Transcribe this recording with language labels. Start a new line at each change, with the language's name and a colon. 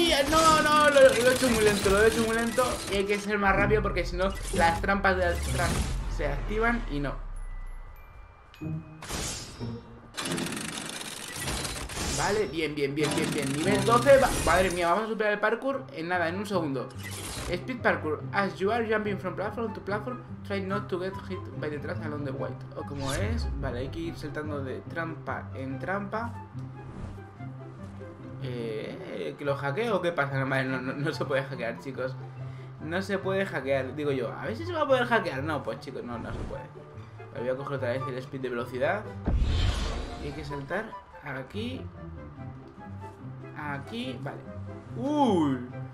Spanish: No, lo he hecho muy lento. Y hay que ser más rápido porque si no, las trampas de atrás se activan y no. Vale, bien. Nivel 12, madre mía, vamos a superar el parkour en nada, en un segundo.
English: Speed parkour. As you are jumping from platform to platform, try not to get hit by the trap along the way.
Spanish: O como es, vale, hay que ir saltando de trampa en trampa. ¿Que lo hackeo o qué pasa? No, madre, no se puede hackear, chicos. No se puede hackear, digo yo. A ver si se va a poder hackear. No, pues chicos, no se puede. Voy a coger otra vez el speed de velocidad. Y hay que saltar aquí. Aquí, vale. ¡Uy!